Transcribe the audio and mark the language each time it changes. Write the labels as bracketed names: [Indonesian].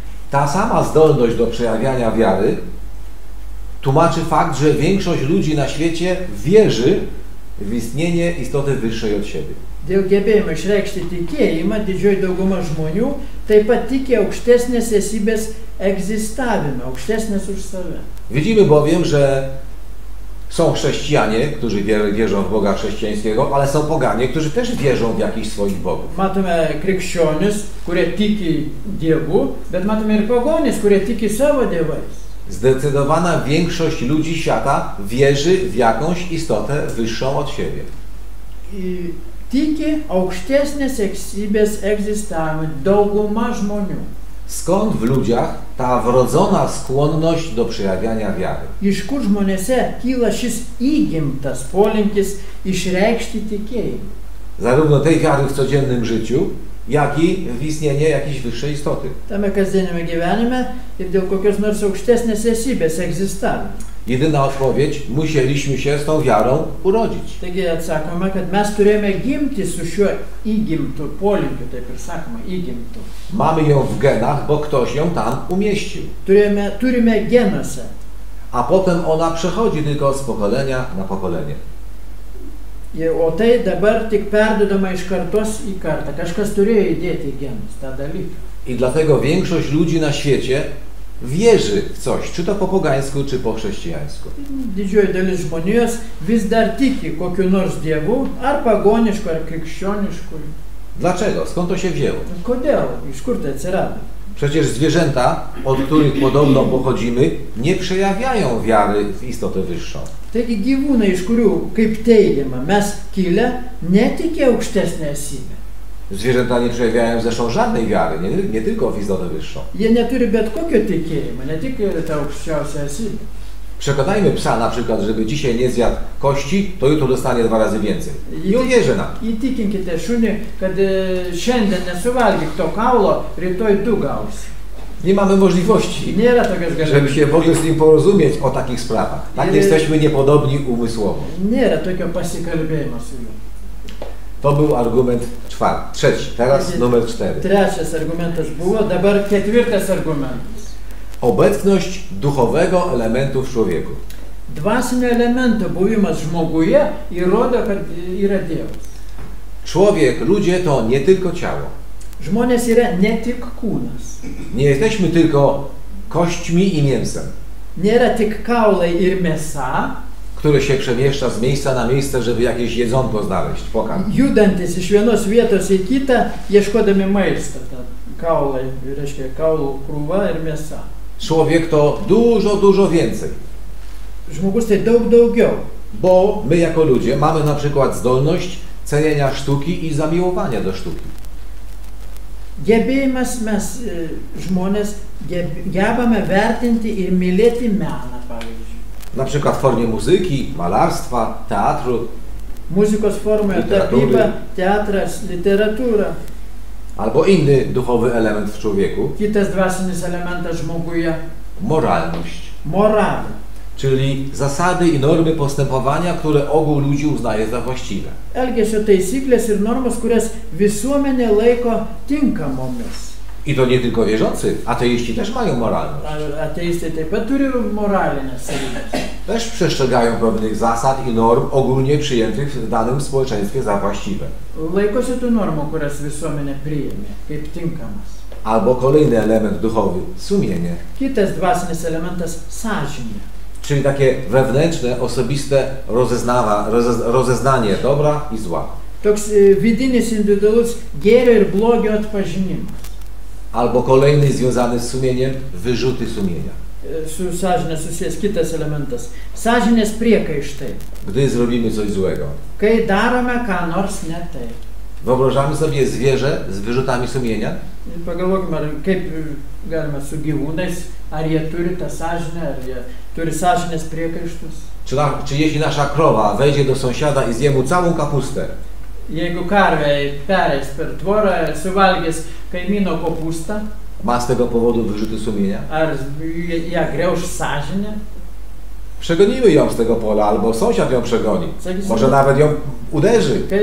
[Polish] Ta sama zdolność do przejawiania wiary tłumaczy fakt, że większość ludzi na świecie wierzy w istnienie istoty wyższej od siebie. [Lithuanian] Dėl gebėjimo išreikšti tikėjimą didžioji dauguma žmonių taip pat tiki aukštesnės esybės egzistavimą, aukštesnės už save. [Polish] Widzimy bowiem, że są chrześcijanie, którzy wierzą w Boga chrześcijańskiego, ale są poganie, którzy też wierzą w jakichś swoich bogów. [Lithuanian] Matome krikščionis, kurie tiki Dievu, bet matome ir pagonis, kurie tiki savo dievais. [Polish] Zdecydowana większość ludzi świata wierzy w jakąś istotę wyższą od siebie. [Lithuanian] I tiki aukštesnės esybės egzistavimą dauguma žmonių. [Polish] Skąd w ludziach ta wrodzona skłonność do przejawiania wiary? [Lithuanian] Iš kur žmonėse kyla šis įgimtas polinkis išreikšti tikėjimą? [Polish] Zarówno tej wiary w codziennym życiu, jak i w istnienie jakiejś wyższej istoty. [Lithuanian] Tame kasdienime gyvenime ir dėl kokios nors aukštesnės esybės egzistavimą. [Polish] Jedyna odpowiedź, musieliśmy się z tą wiarą urodzić. [Lithuanian] Taigi atsakome, kad mes turėjome gimti su šiuo įgimtu polinkiu, taip ir sakoma, įgimtu. [Polish] Mamy ją w genach, bo ktoś ją tam umieścił. [Lithuanian] Turime genuose. [Polish] A potem ona przechodzi tylko z pokolenia na pokolenie. [Lithuanian] O tej dabar tik perduodama iš kartos į kartą. Kažkas turėjo įdėti į genus tą dalyką. [Polish] I dlatego większość ludzi na świecie wierzy w coś, czy to po pogańsku, czy po chrześcijańsku. [Lithuanian] Didžioji dalis žmonijos vis dar tiki kokiu nors dievu, ar pagonišku, ar krikščionišku. [Polish] Dlaczego? Skąd to się wzięło? [Lithuanian] Kodėl? Iš kur tai atsirado? [Polish] Przecież zwierzęta, od których podobno pochodzimy, nie przejawiają wiary w istotę wyższą. [Lithuanian] Taigi gyvūnai, iš kurių, kaip teigiama, mes kilę, netikė aukštesnę esybę. [Polish] Zwierzęta nie przejawiają zresztą żadnej wiary, nie tylko w istotę wyższą. [Lithuanian] Jie neturi bet kokio tikėjimo, [Polish] nie tylko [Lithuanian] tą aukščiausią esybę. [Polish] Przekonajmy psa na przykład, żeby dzisiaj nie zjadł kości, to jutro dostanie dwa razy więcej. I uwierzy nam. [Lithuanian] I tikinkite šunį, kad šiandien nesuvalgyk to kaulo, rytoj du gausi. [Polish] Nie mamy możliwości, żeby się w ogóle z nim porozumieć o takich sprawach. Tak jesteśmy niepodobni umysłowo. Nie ma takiego pasikalbienia z nim. To był argument trzeci, teraz numer cztery. Trzeci argument już był, [Lithuanian] dabar ketvirtas argument. [Polish] Obecność duchowego elementu w człowieku. [Lithuanian] Dwasinio elementu buvimas žmoguje i rodo, kad yra Dievas. [Polish] Człowiek, ludzie to nie tylko ciało. [Lithuanian] Žmonės yra ne tik kūnas. [Polish] Nie jesteśmy tylko kośćmi i mięsem. [Lithuanian] Nėra tik kaulai ir mėsa. [Polish] Które się przemieszcza z miejsca na miejsce, żeby jakieś jedzonko znaleźć, pokarm. [Lithuanian] Judantis iš vienos vietos į kitą, ieškodami maisto. Kaulai, reiškia kaulų krūva ir mėsa. [Polish] Człowiek to dużo, dużo więcej. [Lithuanian] Žmogus tai daug daugiau. [Polish] Bo my jako ludzie mamy na przykład zdolność cenienia sztuki i zamiłowania do sztuki. [Lithuanian] Gebėjimas mes žmonės gebame vertinti ir mylėti meną, pavyzdžiui. [Polish] Na przykład w formie muzyki, malarstwa, teatru. [Lithuanian] Muzikos formoje tapyba, teatras, literatūra. [Polish] Albo inny duchowy element w człowieku. [Lithuanian] Kitas dvasinis elementas žmoguje. [Polish] Moralność. [Lithuanian] Moral. [Polish] Czyli zasady i normy postępowania, które ogół ludzi uznaje za właściwe. [Lithuanian] Elgesio taisyklės ir normos, kurias visuomenė laiko tinkamomis. [Polish] I to nie tylko wierzący, ateiści też mają moralność. [Lithuanian] Ateisty taip pat turi moralinę savybę. [Polish] Też przestrzegają pewnych zasad i norm ogólnie przyjętych w danym społeczeństwie za właściwe. [Lithuanian] Laikosi tų normų, kurias visuomenė priėmė, kaip tinkamas. [Polish] Albo kolejny element duchowy, sumienie. [Lithuanian] Kitas dvasinis elementas – sąžinė. [Polish] Czyli takie wewnętrzne, osobiste rozeznanie dobra i zła. [Lithuanian] Toks vidinis individualus gėrio ir blogio atpažinimas. [Polish] Albo kolejny związany z sumieniem, wyrzuty sumienia. [Lithuanian] Su sąžine susijęs kitas elementas. Sąžinės priekaištai. [Polish] Gdy zrobimy coś złego. [Lithuanian] Kai darome ką nors ne taip. [Polish] Wyobrażamy sobie zwierzę z wyrzutami sumienia? [Lithuanian] Pagalvokime, kaip galima su gyvūnais, ar jie turi tą sąžinę, ar jie turi sąžinės priekaištus? [Polish] Czy jeśli nasza krowa wejdzie do sąsiada i zje mu całą kapustę? [Lithuanian] Jeigu karvė pereis per tvorą, suvalgys kaimyno kopustą? [Polish] Ma z tego powodu wyrzuty sumienia? [Lithuanian] Ar ją griauš sąžinę? [Polish] Przegonimy ją z tego pola, albo sąsiad ją przegoni. Może nawet ją uderzy.